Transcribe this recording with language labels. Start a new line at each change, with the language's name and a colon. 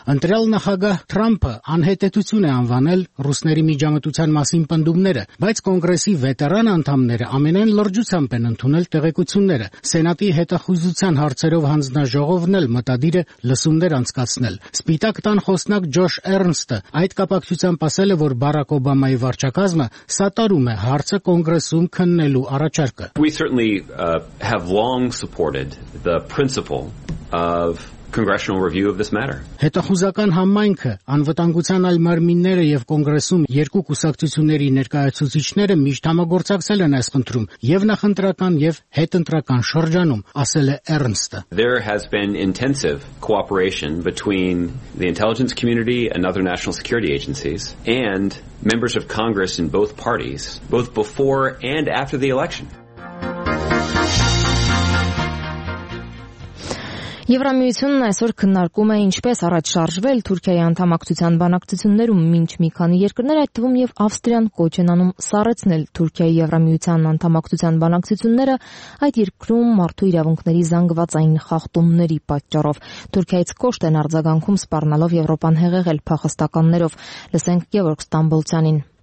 Armenian: Ընտրյալ նախագահ Թրամփը անհետեցություն է անվանել ռուսների միջամտության մասին պնդումները, բայց կոնգրեսի վետերան անդամները ամենայն լրջությամբ են ընդունել տեղեկությունները, սենատի հետախուզության հարցերով հանձնաժողովն էլ մտադիր է լսումներ անցկացնել։ Սպիտակ տան խոսնակ Ջոշ Էրնստը այդ կապակցությամբ ասել է, որ Բարակ Օբամայի վարչակազմը սատարում է հարցը կոնգրեսում քննելու առաջարկը։
English: We certainly have long supported the principle of congressional review of this matter.
Armenian: Հետախուզական համայնքը, անվտանգության այլ մարմինները եւ կոնգրեսում երկու կուսակցությունների ներկայացուցիչները միշտ համագործակցել են այս խնդրում, եւ նախընտրական եւ հետընտրական շրջանում, ասել է Էրնստը.
English: There has been intensive cooperation between the intelligence community and other national security agencies and members of Congress in both parties, both before and after the election.
Armenian: Եվրամիությունն այսօր քննարկում է ինչպես առաջ շարժվել Թուրքիայի անդամակցության բանակցություններում, մինչ մի քանի երկրներ, այդ թվում եւ Ավստրիան, կոչ են անում սառեցնել Թուրքիայի Եվրամիության անդամակցության բանակցությունները այդ երկրում մարդու իրավունքների զանգվածային խախտումների պատճառով։ Թուրքիայից կոչ են արձագանքում սպառնալով Եվրոպան հեղեղել փախստականներով։ Լսենք Գևորգ Ստամբոլցյանին։